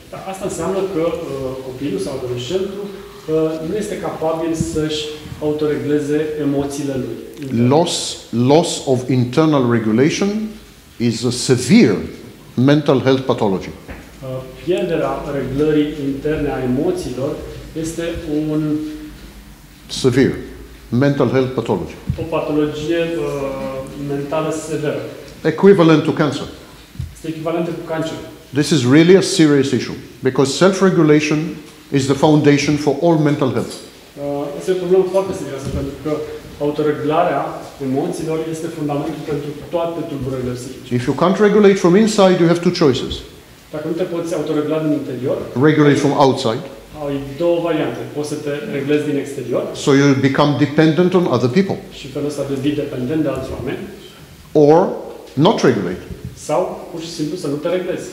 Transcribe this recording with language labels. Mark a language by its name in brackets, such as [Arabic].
[Romanian] Asta înseamnă că copilul sau adolescentul nu este capabil să-și autoregleze emoțiile lui. [English] Loss of internal regulation is a severe mental health pathology. [Romanian] Pierderea reglării interne a emoțiilor este un [English] severe mental health pathology. [Romanian] O patologie mentală severă. [English] Equivalent to cancer. [Romanian] Este echivalentă cu cancer. [English] This is really a serious issue because self-regulation is the foundation for all mental health. [Romanian] Este o problemă foarte serioasă pentru că autoreglarea emoțiilor este fundamentul pentru toate tulburările psihice. [English] If you can't regulate from inside, you have two choices. [Romanian] Dacă nu te poți autoregla din interior, [English] regulate from outside. [Romanian] Ai două variante. Poți să te reglezi din exterior. [English] So you become dependent on other people. [Romanian] Și felul ăsta devii dependent de alți oameni. [English] Or not regulate. [Romanian] Sau pur și simplu să nu te reglezi.